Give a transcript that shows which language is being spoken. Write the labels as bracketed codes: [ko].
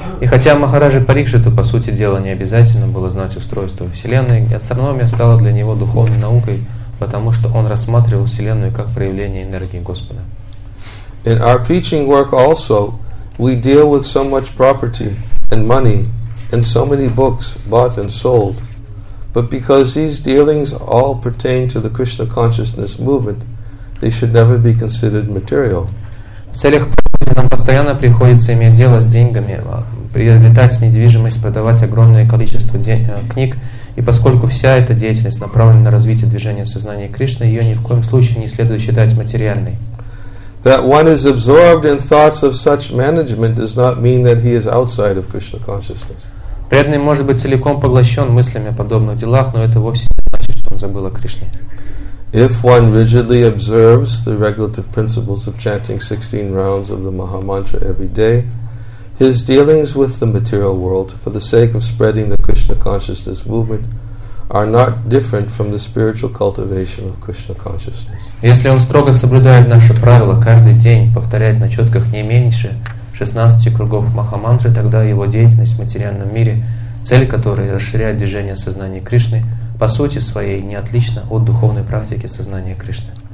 [ru] И хотя Махараджа Парикшиту, по сути дела, не обязательно было знать устройство Вселенной, астрономия стала для него духовной наукой, потому что он рассматривал Вселенную как проявление энергии Господа. [en] In our preaching work also, we deal with so much property and money and so many books bought and sold. But because these dealings all pertain to the Krishna consciousness movement, they should never be considered material. [ru] В целях практики нам постоянно приходится иметь дело с деньгами, приобретать недвижимость, продавать огромное количество книг, и поскольку вся эта деятельность направлена на развитие движения сознания Кришны, ее ни в коем случае не следует считать материальной. [en] That one is absorbed in thoughts of such management does not mean that he is outside of Krishna consciousness. [ru] Преданный может быть целиком поглощен мыслями о подобных делах, но это вовсе не значит, что он забыл о Кришне. [en] If one rigidly observes the regulative principles of chanting 16 rounds of the Maha Mantra every day, his dealings with the material world for the sake of spreading the Krishna consciousness movement are not different from the spiritual cultivation of Krishna consciousness. [ru] Если он строго соблюдает наши правила, каждый день повторяет на четках не меньше 16 кругов Маха Мантры, тогда его деятельность в материальном мире, цель которой расширяет движение сознания Кришны, по сути своей, не отлично от духовной практики сознания Кришны.